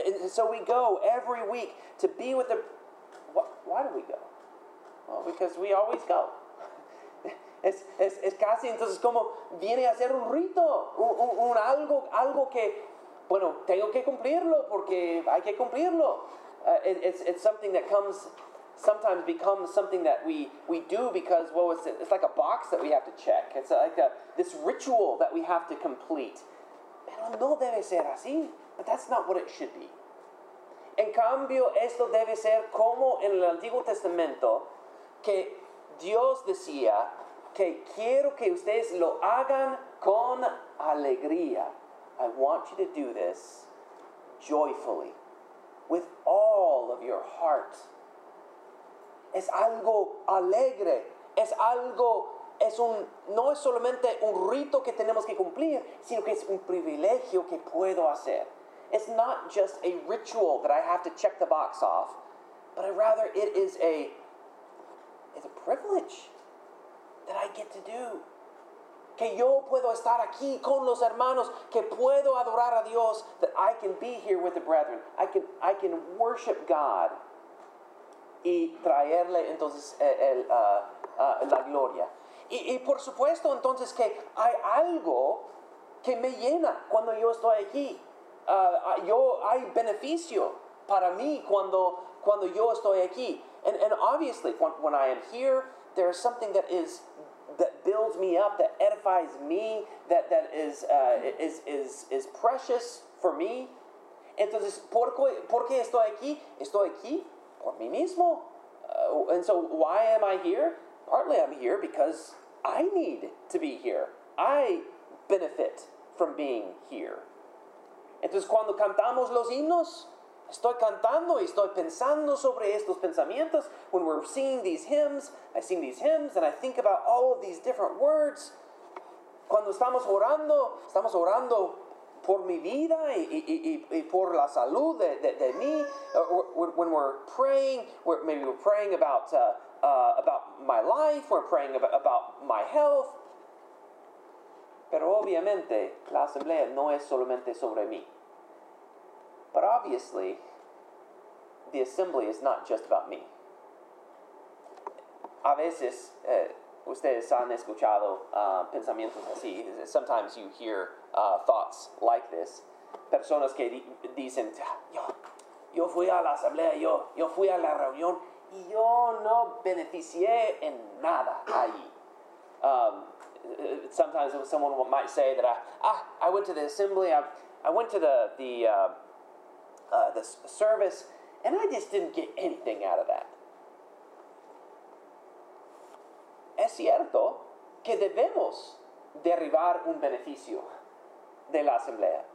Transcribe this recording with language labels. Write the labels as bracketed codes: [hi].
[en] So we go every week to be with the... Why do we go? Well, because we always go. [es] Es casi entonces como viene a ser un rito, un algo que, bueno, tengo que cumplirlo porque hay que cumplirlo. [en] It's something that comes, sometimes becomes something that we do because, well, it's like a box that we have to check. It's like this ritual that we have to complete. [es] Pero no debe ser así. [en] But that's not what it should be. [es] En cambio, esto debe ser como en el Antiguo Testamento, que Dios decía que quiero que ustedes lo hagan con alegría. [en] I want you to do this joyfully, with all of your heart. [es] Es algo alegre. Es algo, no es solamente un rito que tenemos que cumplir, sino que es un privilegio que puedo hacer. [en] It's not just a ritual that I have to check the box off, but rather it is a privilege that I get to do. [es] Que yo puedo estar aquí con los hermanos, que puedo adorar a Dios, [en] that I can be here with the brethren. I can worship God [es] y traerle entonces la gloria. Y por supuesto entonces que hay algo que me llena cuando yo estoy aquí. Hay beneficio para mí cuando yo estoy aquí. [en] And obviously, when I am here, there is something that builds me up, that edifies me, that is precious for me. [es] Entonces, ¿por qué estoy aquí? Estoy aquí por mí mismo. [en] And so, why am I here? Partly I'm here because I need to be here. I benefit from being here. [es] Entonces, cuando cantamos los himnos, estoy cantando y estoy pensando sobre estos pensamientos. [en] When we're singing these hymns, I sing these hymns and I think about all of these different words. [es] Cuando estamos orando por mi vida y por la salud de mí. [en] When we're praying, maybe we're praying about my life, we're praying about my health. [es] Pero obviamente, la asamblea no es solamente sobre mí. [en] But obviously, the assembly is not just about me. [es] A veces, ustedes han escuchado pensamientos así. [en] Sometimes you hear thoughts like this. [es] Personas que dicen, yo fui a la asamblea, yo fui a la reunión, y yo no beneficié en nada allí. [en] Sometimes someone might say that, I went to the assembly, I went to the service, and I just didn't get anything out of that. [es] Es cierto que debemos derivar un beneficio de la asamblea.